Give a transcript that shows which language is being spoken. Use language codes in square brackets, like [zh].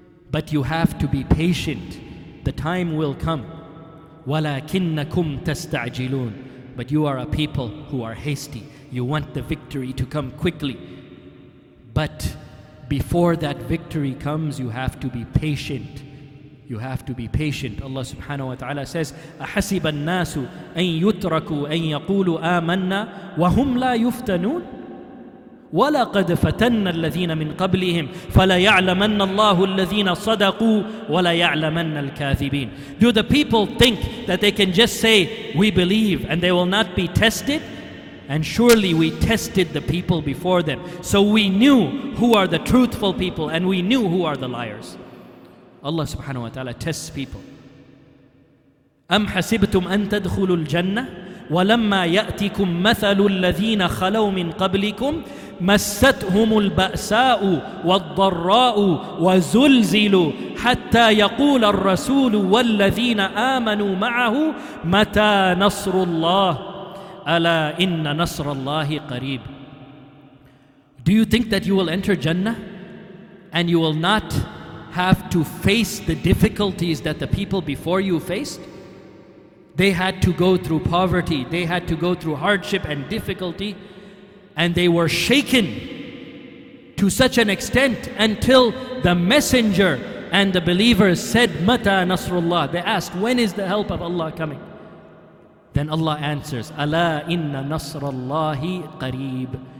[en] But you have to be patient. The time will come. [ar] وَلَكِنَّكُمْ تَسْتَعْجِلُونَ. [en] But you are a people who are hasty. You want the victory to come quickly. But before that victory comes, you have to be patient. You have to be patient. Allah subhanahu wa ta'ala says, [ar] أَحَسِبَ النَّاسُ أَن يُتْرَكُوا أَن يَقُولُوا آمَنَّا وَهُمْ لَا يُفْتَنُونَ وَلَقَدْ فَتَنَّ الَّذِينَ مِنْ قَبْلِهِمْ فَلَيَعْلَمَنَّ اللَّهُ الَّذِينَ صَدَقُوا وَلَيَعْلَمَنَّ الْكَاذِبِينَ. [en] Do the people think that they can just say, we believe, and they will not be tested? And surely we tested the people before them. So we knew who are the truthful people and we knew who are the liars. Allah subhanahu wa ta'ala tests people. [ar] أَمْ حَسِبْتُمْ أَن تَدْخُلُوا الْجَنَّةِ وَلَمَّا يَأْتِكُمْ مَثَلُ الَّذِينَ خَلَوْا مِنْ قَبْلِكُمْ مَسَّتْهُمُ الْبَأْسَاءُ وَالضَّرَّاءُ وَزُلْزِلُوا حَتَّى يَقُولَ الرَّسُولُ وَالَّذِينَ آمَنُوا مَعَهُ مَتَى نَصْرُ اللَّهِ أَلَا إِنَّ نَصْرَ اللَّهِ قَرِيبٌ. [en] Do you think that you will enter Jannah and you will not have to face the difficulties that the people before you faced? They had to go through poverty, they had to go through hardship and difficulty, and they were shaken to such an extent until the messenger and the believers said, [ar] Mata Nasrullah. [en] They asked, when is the help of Allah coming? Then Allah answers, [ar] Ala inna Nasrullahi qareeb.